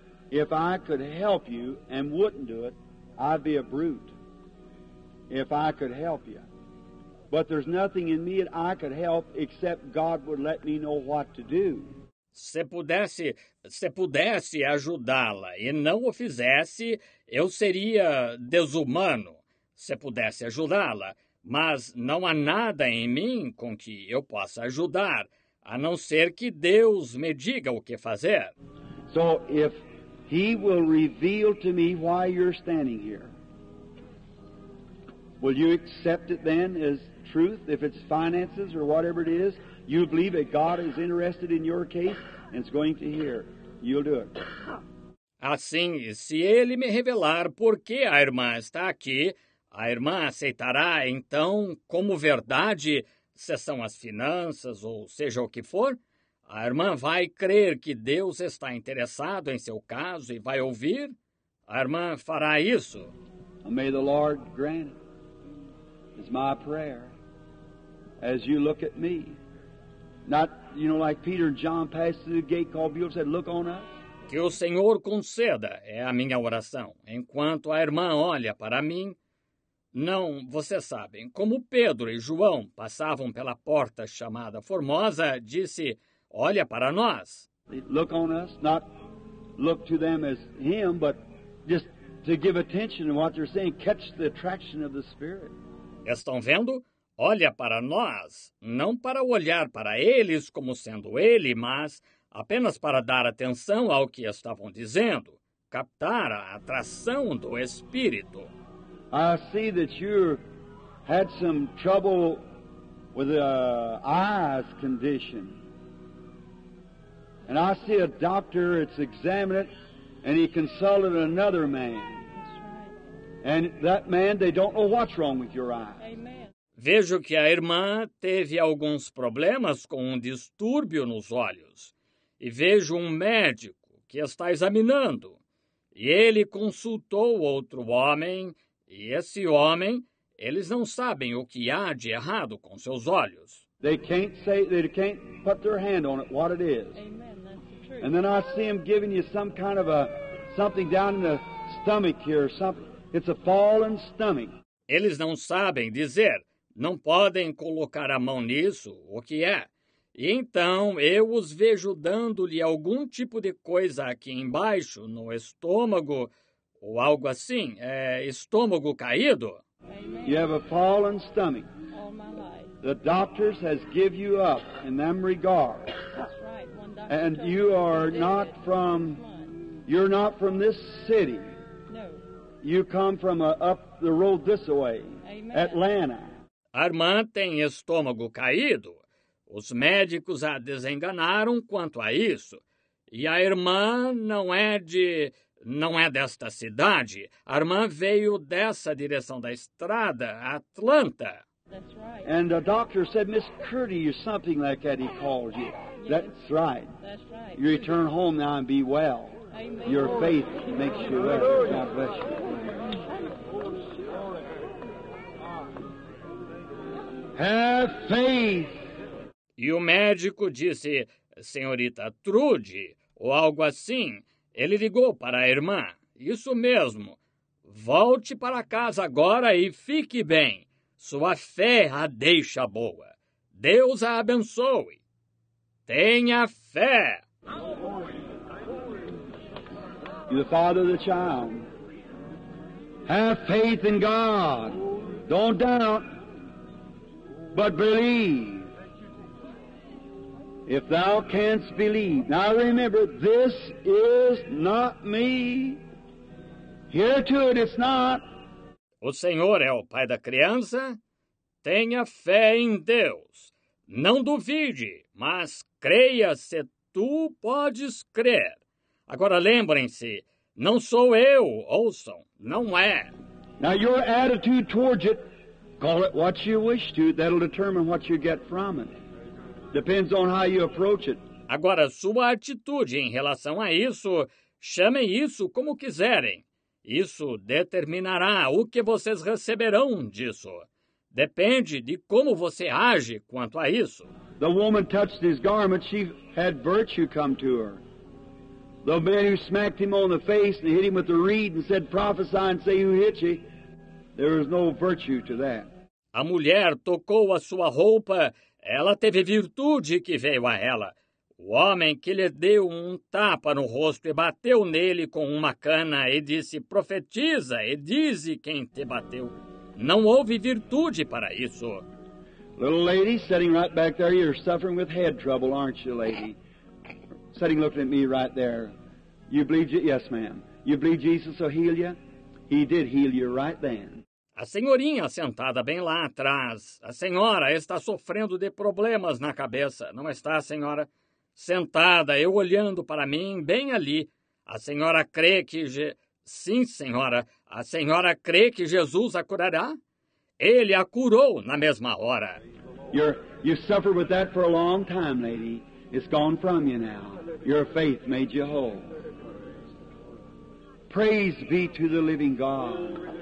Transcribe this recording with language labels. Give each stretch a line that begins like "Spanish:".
English: If I could help you and wouldn't do it, I'd be a brute if I could help you. But there's nothing in me that I could help except God would let me know what to do.
Portuguese: Se pudesse ajudá-la e não o fizesse, eu seria desumano. Se pudesse ajudá-la, mas não há nada em mim com que eu possa ajudar, a não ser que Deus me diga o que fazer.
English: So if He will reveal to me why you're standing here. Will you accept it then as truth? If it's finances or whatever it is, you believe that God is interested in your case and is going to hear. You'll do it.
Portuguese: Assim, se ele me revelar por que a irmã está aqui, a irmã aceitará então como verdade, se são as finanças ou seja o que for? A irmã vai crer que Deus está interessado em seu caso e vai ouvir? A irmã fará isso?
English: May the Lord grant it. It's my prayer. As you look at me. Not, you know, like Peter and John passed through the gate called Beulah said, look on us.
Portuguese: Que o Senhor conceda é a minha oração. Enquanto a irmã olha para mim, não, vocês sabem, como Pedro e João passavam pela porta chamada Formosa, disse, olha para nós.
English: Look on us, not look to them as him, but just to give attention to what they're saying, catch the attraction of the Spirit.
Portuguese: Estão vendo? Olha para nós, não para olhar para eles como sendo ele, mas apenas para dar atenção ao que estavam dizendo, captar a atração do Espírito.
English: I see that you had some trouble with the eyes condition. And I see a doctor, it's examined it, and he consulted another man. And that man, they don't know what's wrong with your eyes. Amen.
Portuguese: Vejo que a irmã teve alguns problemas com um distúrbio nos olhos. E vejo um médico que está examinando. E ele consultou outro homem, e esse homem, eles não sabem o que há de errado com seus olhos.
English: They can't say, they can't put their hand on it, what it is. Amen. And then I see him giving you some kind of a something down in the stomach here, something. It's a fallen stomach.
Portuguese: Eles não sabem dizer, não podem colocar a mão nisso, o que é? Então, eu os vejo dando-lhe algum tipo de coisa aqui embaixo, no estômago, ou algo assim, é estômago caído.
English: Amen. You have a fallen stomach. All my life. The doctors has given you up in them regard. That's right. One doctor and you are not from, you're not from this city. No. You come from up the road this way, Amen. Atlanta.
Portuguese: A irmã tem estômago caído. Os médicos a desenganaram quanto a isso. E a irmã não é de... não é desta cidade. A irmã veio dessa direção da estrada, Atlanta.
English: That's right. And the doctor said, Miss Curdy, you're something like that, he calls you. Yes. That's right. That's right. You return home now and be well. Amen. Your faith makes you well. God bless you. Have faith.
Portuguese: E o médico disse, senhorita Trude, ou algo assim. Ele ligou para a irmã. Isso mesmo. Volte para casa agora e fique bem. Sua fé a deixa boa. Deus a abençoe. Tenha fé.
English: You're the father of the child. Have faith in God. Don't doubt, but believe. If thou canst believe. Now remember, this is not me. Here to it, it's not.
Portuguese: O Senhor é o pai da criança? Tenha fé em Deus. Não duvide, mas creia se tu podes crer. Agora lembrem-se, não sou eu, ouçam, não é.
English: Now your attitude towards it, call it what you wish to, that'll determine what you get from it. Depends on how you approach it.
Portuguese: Agora, sua atitude em relação a isso, chamem isso como quiserem. Isso determinará o que vocês receberão disso. Depende de como você age quanto a isso.
English: The woman touched his garment, she had virtue come to her. The man who smacked him on the face and hit him with the reed and said, prophesy and say who hit you. There is no virtue to that.
Portuguese: A mulher tocou a sua roupa. Ela teve virtude que veio a ela. O homem que lhe deu um tapa no rosto e bateu nele com uma cana e disse, profetiza e dize quem te bateu. Não houve virtude para isso.
English: Little lady, sitting right back there, you're suffering with head trouble, aren't you, lady? Sitting looking at me right there. You believe, yes, ma'am. You believe Jesus will heal you? He did heal you right then.
Portuguese: A senhorinha sentada bem lá atrás, a senhora está sofrendo de problemas na cabeça, não está, senhora? Sentada, eu olhando para mim, bem ali, a senhora crê que... Sim, senhora, a senhora crê que Jesus a curará? Ele a curou na mesma hora.
English: You suffered with that for a long time, lady. It's gone from you now. Your faith made you whole. Praise be to the living God.